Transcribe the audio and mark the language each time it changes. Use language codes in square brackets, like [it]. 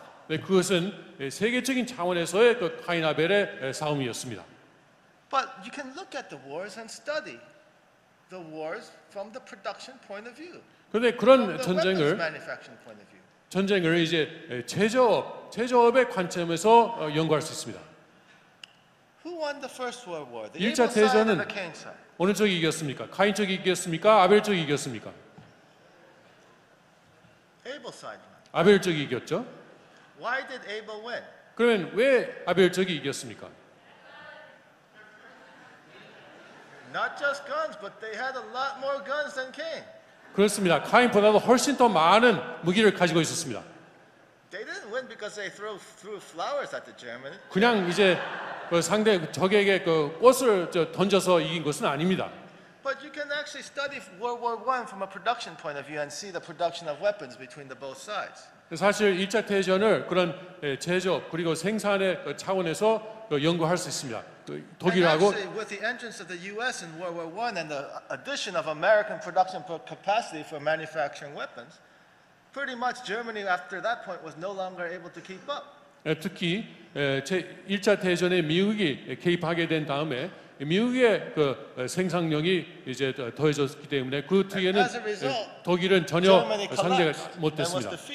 [ko] 네, 그것은 세계적인 차원에서의 그 카이나벨의 싸움이었습니다. [en] But you can look at the wars and study the wars from the production point of view. [ko] 그런데 그런 전쟁을 전쟁을 이제 제조업의 관점에서 연구할 수 있습니다. [en] Who won the First World War? The [ko] 1차 대전은 어느 쪽이 이겼습니까? 카인 쪽이 이겼습니까? 아벨 쪽이 이겼습니까? [en] Abel side. [ko] 아벨 쪽이 이겼죠. [en] Why did Abel win? [ko] 그러면 왜 아벨 쪽이 이겼습니까? [en] Not just guns, but they had a lot more guns than Cain. [ko] 그렇습니다. 카인보다도 훨씬 더 많은 무기를 가지고 있었습니다. [en] They didn't win because they threw flowers at the German. [ko] 그냥 이제 그 상대 적에게 그 꽃을 던져서 이긴 것은 아닙니다. [en] But you can actually study World War I from a production point of view and see the production of weapons between the both sides. [ko] 사실 1차 대전을 그런 제조 그리고 생산의 차원에서 연구할 수 있습니다. 독일하고 [en] And actually, with the entrance of the U.S. in World War I and the addition of American production capacity for manufacturing weapons, pretty much Germany after that point was no longer able to keep up. [ko] 특히 제 1차 대전에 미국이 개입하게 된 다음에 미국의 그 생산력이 이제 더해졌기 때문에 그 뒤에는 독일은 전혀 상대가 못했습니다.